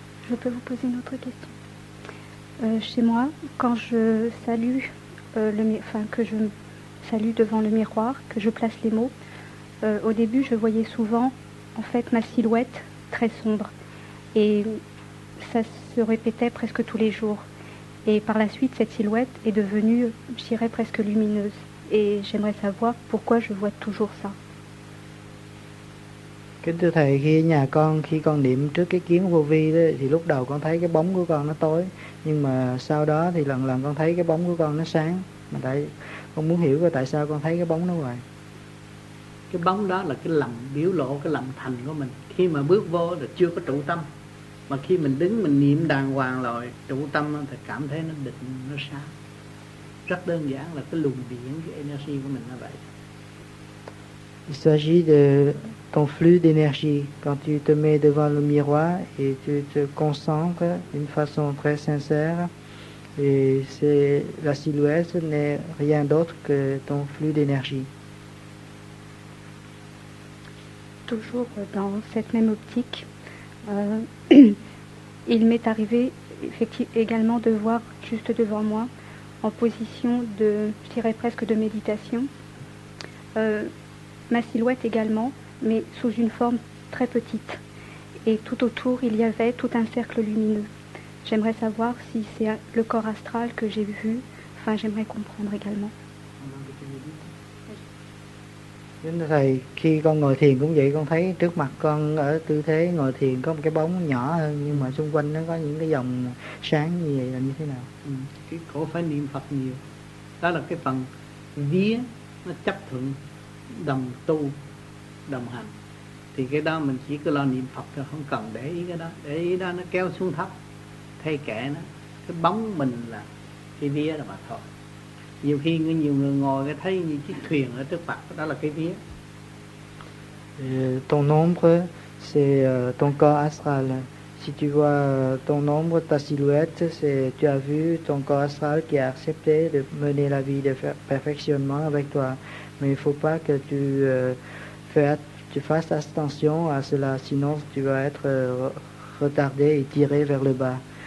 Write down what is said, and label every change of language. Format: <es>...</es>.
<fr>Je peux vous poser une autre question. Chez moi, quand je salue, je salue devant le miroir, que je place les mots, au début, je voyais souvent, en fait, ma silhouette très sombre, et ça se répétait presque tous les jours. Et par la suite, cette silhouette est devenue, je dirais, presque lumineuse. Et j'aimerais savoir pourquoi je vois toujours ça.</fr> <vi>Kính thưa Thầy, khi nhà con, khi con niệm trước cái kiến vô vi đó, thì lúc đầu con thấy cái bóng của con nó tối, nhưng mà sau đó thì lần lần con thấy cái bóng của con nó sáng. Mà tại con muốn hiểu là tại sao con thấy cái bóng nó hoài. Cái bóng đó là cái lầm biểu lộ, cái lầm thành của mình. Khi mà bước vô là chưa có trụ tâm, mà khi mình đứng mình niệm đàng hoàng rồi trụ tâm thì cảm thấy nó định, nó sáng. Rất đơn giản là cái luồng điện, cái energy của mình nó vậy.</vi> <fr>Il s'agit de ton flux d'énergie. Quand tu te mets devant le miroir et tu te concentres d'une façon très sincère, et c'est la silhouette n'est rien d'autre que ton flux d'énergie. Toujours dans cette même optique, il m'est arrivé également de voir juste devant moi, en position de, je dirais presque de méditation, ma silhouette également, mais sous une forme très petite. Et tout autour, il y avait tout un cercle lumineux. J'aimerais savoir si c'est le corps astral que j'ai vu. Enfin, j'aimerais comprendre également.</fr> <vi>Thưa Thầy, khi con ngồi thiền cũng vậy, con thấy trước mặt con ở tư thế ngồi thiền có một cái bóng nhỏ hơn, nhưng mà xung quanh nó có những cái dòng sáng như vậy là như thế nào? Cái cổ phải niệm Phật nhiều. Đó là cái phần vía nó chấp thuận đồng tu, đồng hành. Thì cái đó mình chỉ cứ lo niệm Phật thôi, không cần để ý cái đó. Để ý đó nó kéo xuống thấp, thay kệ nó. Cái bóng mình là cái vía là mà thôi. Nhiều khi nhiều người ngồi cái thấy như chiếc thuyền ở trước mặt, đó là cái vía.</vi> <fr>Ton ombre, c'est ton corps astral. Si tu vois ton ombre, ta silhouette, c'est tu as vu ton corps astral qui a accepté de mener la vie de perfectionnement avec toi. Mais il faut pas que tu fasses attention à cela, sinon tu vas être retardé et tiré vers le bas.</fr>